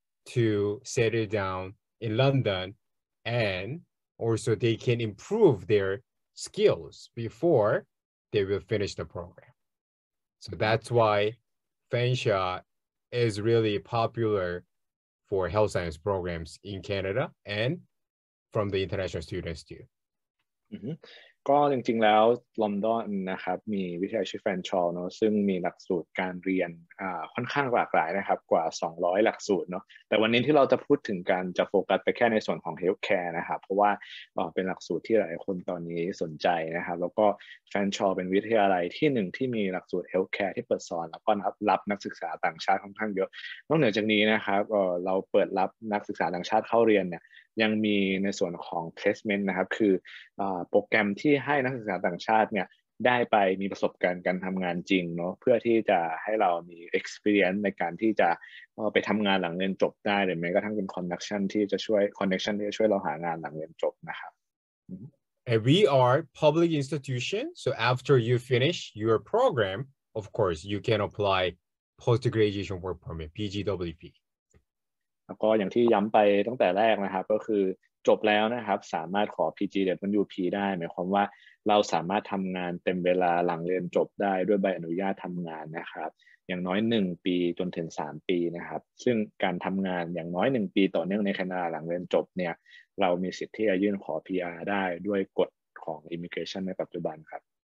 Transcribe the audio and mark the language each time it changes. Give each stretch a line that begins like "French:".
English: To settle down in London, and also they can improve their skills before they will finish the program. So that's why Fensha is really popular for health science programs in Canada and from the international students too. Mm-hmm.
Thai: ก็จริงๆแล้วลอนดอนนะครับมีวิทยาลัยชื่อแฟนชอลเนาะซึ่งมีหลักสูตรการเรียนค่อนข้างหลากหลายนะครับกว่า200หลักสูตรเนาะแต่วันนี้ที่เราจะพูดถึงการจะโฟกัสไปแค่ในส่วนของเฮลท์แคร์นะครับเพราะว่าเป็นหลักสูตรที่หลายคนตอนนี้สนใจนะครับแล้วก็แฟนชอลเป็นวิทยาลัยที่หนึ่งที่มีหลักสูตรเฮลท์แคร์ที่เปิดสอนแล้วก็รับนักศึกษาต่างชาติค่อนข้างเยอะนอกเหนือจากนี้นะครับเราเปิดรับนักศึกษาต่างชาติเข้าเรียนเนี่ยยังมีในส่วนของ placement นะครับคือ โปรแกรมที่ให้นักศึกษาต่างชาติเนี่ยได้ไปมีประสบการณ์การทำงานจริงเนาะเพื่อที่จะให้เรามี experience ในการที่จะไปทำงานหลังเรียนจบได้หรือแม้กระทั่งเป็น connection ที่จะช่วย connection ที่จะช่วยเราหางานหลังเรียนจบนะครับ
English: And we are public institution so after you finish your program of course you can apply postgraduation work permit PGWP
Thai: แล้วก็อย่างที่ย้ำไปตั้งแต่แรกนะครับก็คือจบแล้วนะครับสามารถขอ PGWP ได้หมายความว่าเราสามารถทำงานเต็มเวลาหลังเรียนจบได้ด้วยใบอนุญาตทำงานนะครับอย่างน้อย1ปีจนถึง3ปีนะครับซึ่งการทำงานอย่างน้อย1ปีต่อเนื่องในแคนาดาหลังเรียนจบเนี่ยเรามีสิทธิ์ที่จะยื่นขอ PR ได้ด้วยกฎของ Immigration ในปัจจุบันครับ